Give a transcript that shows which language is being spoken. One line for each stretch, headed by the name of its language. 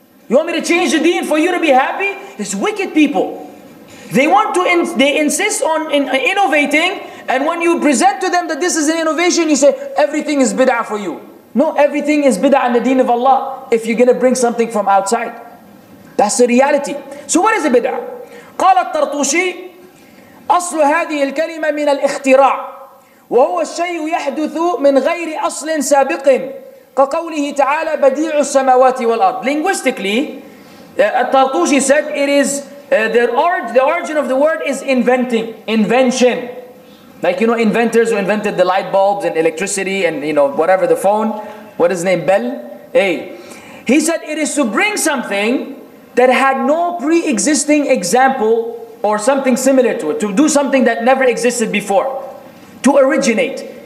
English: You want me to change the deen for you to be happy? It's wicked people. They insist on innovating. And when you present to them that this is an innovation, you say, everything is bid'ah for you. No, everything is bid'ah in the deen of Allah if you're going to bring something from outside. That's the reality. So what is a bid'ah?
Arabic: قال الطرطوشي أصل هذه الكلمة من الاختراع وهو الشيء يحدث من غير أصل سابق كقوله تعالى بديع السماوات والأرض.
English: Linguistically, الطرطوشي said it is the origin of the word is inventing, invention. Like, you know, inventors who invented the light bulbs and electricity and, you know, whatever, the phone. What is his name? Bell? Hey. He said it is to bring something that had no pre-existing example or something similar to it, to do something that never existed before, to originate.